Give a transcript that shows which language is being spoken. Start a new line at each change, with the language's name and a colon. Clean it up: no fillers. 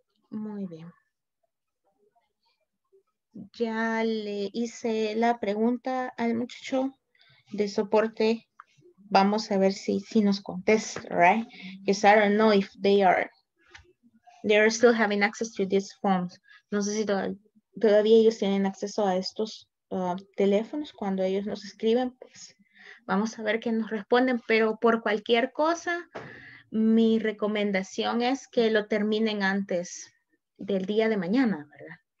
Spanish: Muy bien. Ya le hice la pregunta al muchacho de soporte. Vamos a ver si nos contesta, right?
English: Because I don't know if they are still having access to these phones.
Spanish: No sé si todavía ellos tienen acceso a estos teléfonos cuando ellos nos escriben. Pues vamos a ver qué nos responden, pero por cualquier cosa, mi recomendación es que lo terminen antes del día de mañana, ¿verdad?